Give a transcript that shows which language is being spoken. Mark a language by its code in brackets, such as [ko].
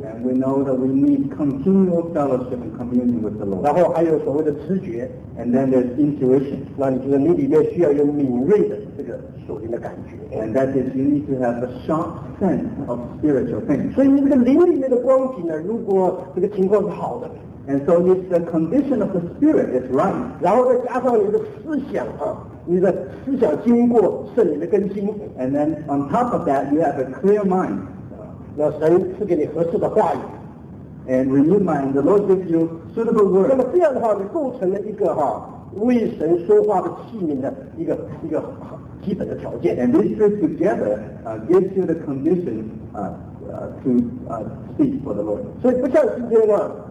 [en] And we know that we need continual fellowship and communion with the Lord. [zh] 然后还有所谓的直觉， [en] and then there's intuition. [zh] 那你觉得你里面需要有敏锐的这个属灵的感觉。 [en] And that is, you need to have a sharp sense of spiritual things. [zh] 所以你这个灵里面的光景呢，如果这个情况是好的， [en] and so if the condition of the spirit is right, [zh] 然后再加上你的思想啊，你的思想经过圣灵的更新， [en] and then on top of that, you have a clear mind. [zh] 那神赐给你合适的话语， [en] and renewed mind, the Lord gives you suitable words. [zh] 那么这样的话，你构成了一个哈。为神说话的器皿的一个基本的条件。 [en] And these three together gives you the condition to speak for the Lord.